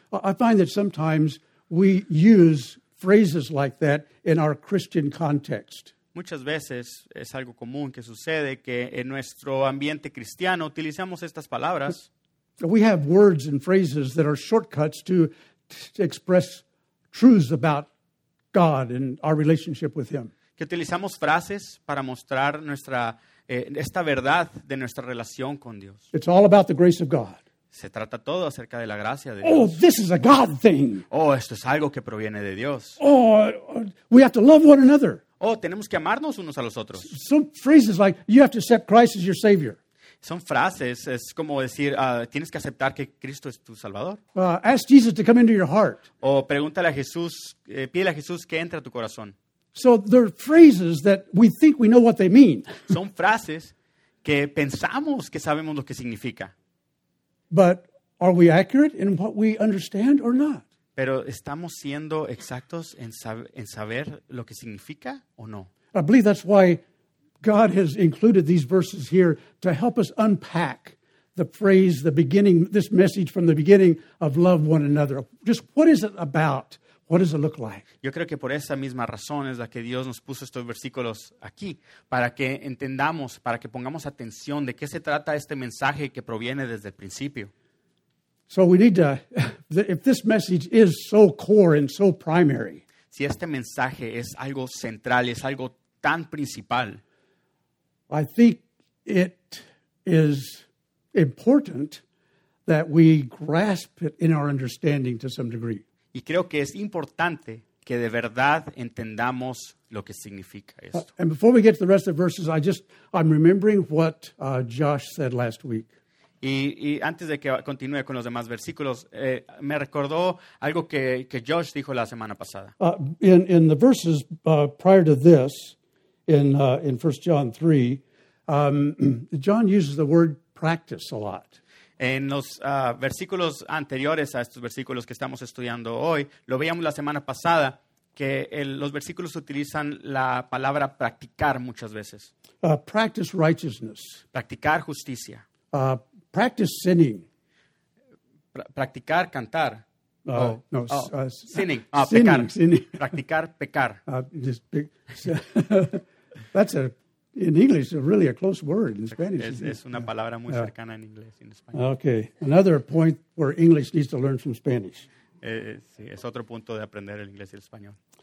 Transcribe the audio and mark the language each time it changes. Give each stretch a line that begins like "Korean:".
English: I find that sometimes we use phrases like that in our Christian context.
Spanish: Muchas veces es algo común que sucede que en nuestro ambiente cristiano utilizamos estas palabras.
English: We have words and phrases that are shortcuts to express truths about God and our relationship with Him.
Spanish: Que utilizamos frases para mostrar nuestra esta verdad de nuestra relación con Dios.
English: It's all about the grace of God.
Spanish: Se trata todo acerca de la gracia de Dios.
English: Oh, this is a God thing.
Spanish: Oh, esto es algo que proviene de Dios.
English: Oh, we have to love one another.
Spanish: Oh, tenemos que amarnos unos a los otros.
English: Some phrases like you have to accept Christ as your savior.
Spanish: Son frases, es como decir, tienes que aceptar que Cristo es tu salvador.
English: Ask Jesus to come into your heart.
Spanish: O pregúntale a Jesús, pídele a Jesús que entre a tu corazón.
English: So there are phrases that we think we know what they mean.
Spanish: Son frases que pensamos que sabemos lo que significa.
English: But are we accurate in what we understand or not?
Spanish: Pero estamos siendo exactos en saber lo que significa o no.
English: I believe that's why God has included these verses here to help us unpack the phrase, the beginning, this message from the beginning of love one another. Just what is it about? What does it look like?
Spanish: Yo creo que por esa misma razón es la que Dios nos puso estos versículos aquí, para que entendamos, para que pongamos atención de qué se trata este mensaje que proviene desde el principio.
English: So we need to, if this message is so core and so primary.
Spanish: Si este mensaje es algo central, es algo tan principal.
English: I think it is important that we grasp it in our understanding to some degree.
Spanish: Y creo que es importante que de verdad entendamos lo que significa esto.
English: And before we get to the rest of the verses, I'm remembering what Josh said last week.
Spanish: Y antes de que continúe con los demás versículos, me recordó algo que Josh dijo la semana pasada.
English: In the verses prior to this, in 1 John 3, John uses the word practice a lot.
Spanish: En los versículos anteriores a estos versículos que estamos estudiando hoy, lo veíamos la semana pasada, que los versículos utilizan la palabra practicar muchas veces.
English: Practice righteousness.
Spanish: Practicar justicia.
English: Practice sinning.
Spanish: Practicar cantar.
English: Sinning.
Spanish: Pecar.
English: Sinning.
Spanish: Practicar pecar.
English: That's a... In English, it's really a close word in Spanish.
Spanish: Es una palabra muy cercana en inglés, en español.
English: Okay. Another point where English needs to learn from Spanish.
Spanish: Sí, es otro punto de aprender el inglés y el español.